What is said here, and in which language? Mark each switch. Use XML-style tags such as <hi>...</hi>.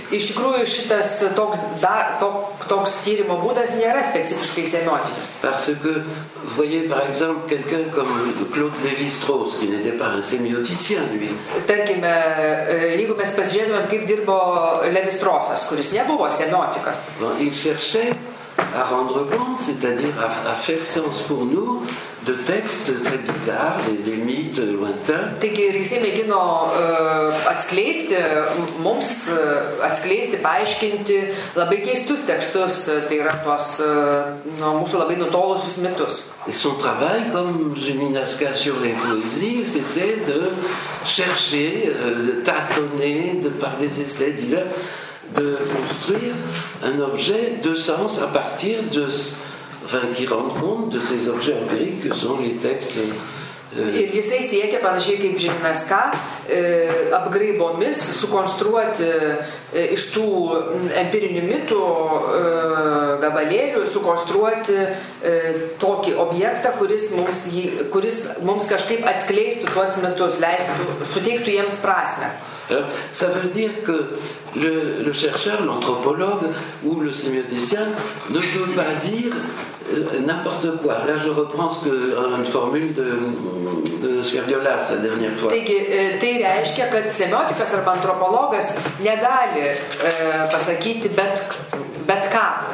<lt>Iš tikrųjų, šitas toks tyrimo būdas nėra specifiškai semiotikas.</lt> <fr>Parce que, voyez, par exemple, quelqu'un comme Claude Lévi-Strauss, qui n'était pas un sémioticien, lui.</fr> <lt>Tarkime, jeigu mes pasižiūrėtumėm, kaip dirbo Lévi-Straussas, kuris nebuvo semiotikas.</lt> <fr>Il cherchait à rendre compte, c'est-à-dire à faire sens pour nous de textes très bizarres, des mythes lointains.</fr> <lt>Taigi, ir jisai mėgino atskleisti mums, atskleisti, paaiškinti labai keistus tekstus, tai yra tuos nuo mūsų labai nutolusius mitus.</lt> <fr>Et son travail, comme Jeannie Nasca sur les poésies, c'était de chercher, de tâtonner de, par des essais divers, de construire un objet de sens à partir de... Enfin, qui rendent compte de ces objets empiriques que sont les textes...</fr> <lt>Ir jisai siekia, panašiai kaip Žeminaska, apgraibomis sukonstruoti iš tų empirinių mitų gabalėlių, sukonstruoti tokį objektą, kuris mums kažkaip atskleistų tuos mitus, leistų, suteiktų jiems prasmę.</lt> <fr>Ça veut dire que le chercheur, l'anthropologue ou le sémioticien ne peut pas dire n'importe quoi. Là, je reprends une formule de Sverdiolas la dernière fois.</fr> <lt>Taigi, tai reiškia, kad semiotikas arba antropologas negali pasakyti bet ką.</lt>